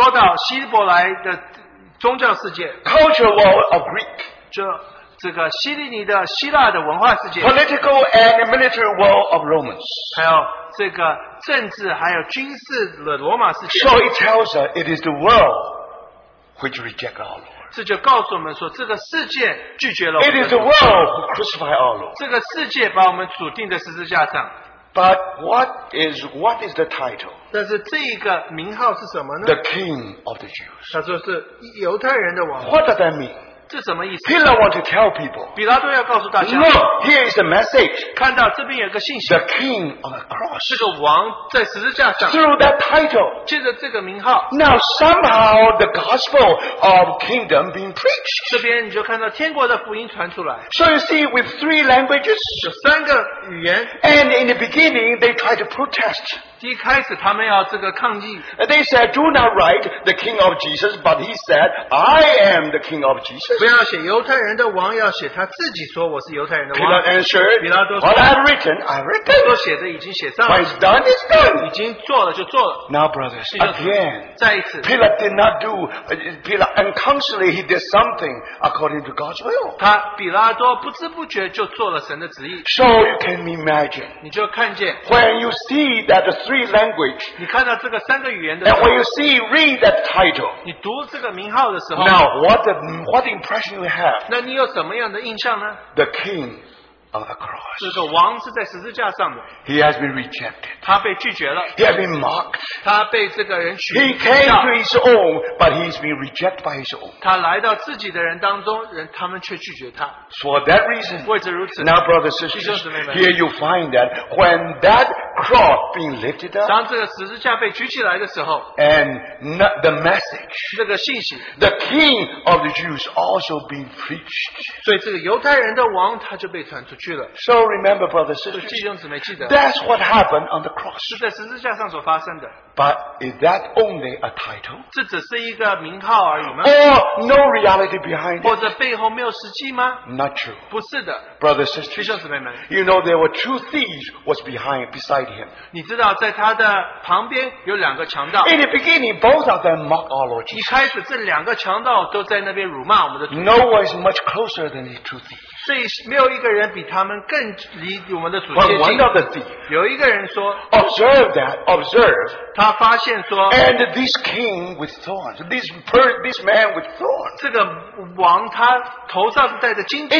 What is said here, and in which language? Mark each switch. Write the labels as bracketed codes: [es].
[zh] 就是说到希伯来的宗教世界, [en] cultural world of Greek. [zh] 这个希利尼的希腊的文化世界, [en] political and military world of Romans, [zh] 还有这个政治还有军事的罗马世界, [en] so it tells us it is the world which rejects our Lord. [zh] 这就告诉我们说, 这个世界拒绝了我们, [en] it is the world who crucified our Lord. [zh] 这个世界把我们主钉在十字架上, [en] but what is the title? [zh] 但是这一个名号是什么呢? [en] The King of the Jews. [zh] 他说是犹太人的王。 [en] What does that mean? [zh] 这什么意思? [en] Pilate wants to tell people. [zh] 比拉多要告诉大家, [en] look, here is the message. [zh] 看到这边有个信息, [en] the king on the cross. [zh] 这个王在十字架上, [en] through that title. [zh] 借着这个名号, [en] now somehow the gospel of kingdom being preached. [zh] 这边你就看到天国的福音传出来, [en] so you see, with three languages. [zh] 有三个语言, [en] and in the beginning, they try to protest. [zh] 第一开始他们要这个抗议, [en] they said, do not write the king of Jesus, but he said, I am the king of Jesus. [zh] 不要写犹太人的王, 要写他自己说我是犹太人的王。Pilate [en] answered, [zh] 比拉多说, [en] what I've written, I've written. [zh] 都写着已经写上了, [en] what is done is done. [zh] 已经做了就做了。 [en] Now, brothers, again, [zh] 再一次, [en] Pilate did not do, Pilate unconsciously he did something according to God's will. [zh] 他比拉多不知不觉就做了神的旨意。 [en] So you can imagine, [zh] 你就看见, [en] when you see that the three language, [zh] 你看到这个三个语言的时候, [en] and when you see, read that title, [zh] 你读这个名号的时候, [en] now what impression you have? [zh] 那你有什么样的印象呢? [en] The king on the cross. [zh] 这个王是在十字架上的, [en] he has been rejected. [zh] 他被拒绝了, [en] he has been mocked. [zh] 他被这个人取, [en] he came to his own, but he has been rejected by his own. [zh] 他来到自己的人当中, 人, 他们却拒绝他, [en] for that reason, [zh] 为着如此, [en] now brothers and sisters, [zh] 弟兄姊妹们, [en] here you find that when that cross being lifted up, [zh] 当这个十字架被举起来的时候, [en] and the message, [zh] 这个信息, [en] the king of the Jews also being preached. [zh] 所以这个犹太人的王, [en] so remember, brothers and sisters, that's what happened on the cross. [zh] 是在十字架上所发生的, [en] but is that only a title? [zh] 这只是一个名号而已吗? [en] Or no reality behind it? [zh] 或者背后没有实际吗? [en] Not true. [zh] 不是的, [en] brothers and sisters, [zh] 弟兄姊妹们, [en] you know there were two thieves was behind, beside him. [zh] 你知道在他的旁边有两个强盗, [en] in the beginning, both of them mocked our Lord Jesus. [zh] 一开始这两个强盗都在那边辱骂我们的主, [en] no one is much closer than these two thieves. But one of the thieves observed that, observed, [zh] 他发现说, [en] and this king with thorns, this man with thorns, [zh] 这个王他头上是带着荆棘,